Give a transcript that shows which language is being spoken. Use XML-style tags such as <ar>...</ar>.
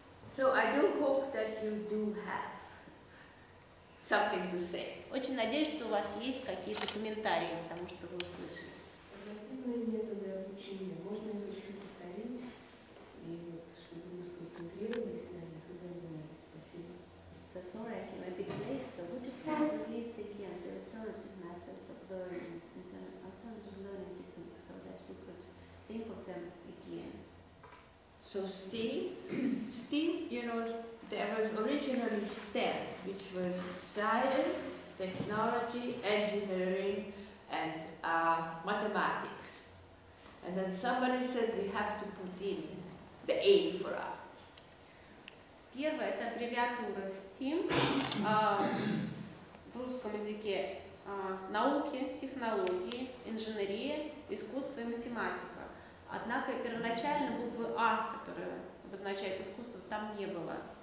<en>So I do hope that you do have something to say.</en> <ru>Очень надеюсь, что у вас есть какие-то комментарии к тому, что вы услышали. Альтернативные методы обучения можно ли еще повторить? И вот, чтобы мы сконцентрировались на них и занимались. Спасибо.</ru> <en>So sorry, I can repeat later. So would you please at least again the alternative methods of learning, alternative learning techniques, so that we could think of them again? So STEAM, you know, there was originally STEM, which was science, technology, engineering, and mathematics. And then somebody said we have to put in the A for arts.</en> <ru>Первое – это аббревиатура STEAM в русском языке науки, технологии, инженерия, искусство и математика. Однако первоначально буквы А, которая обозначает искусство, там не было.</ru>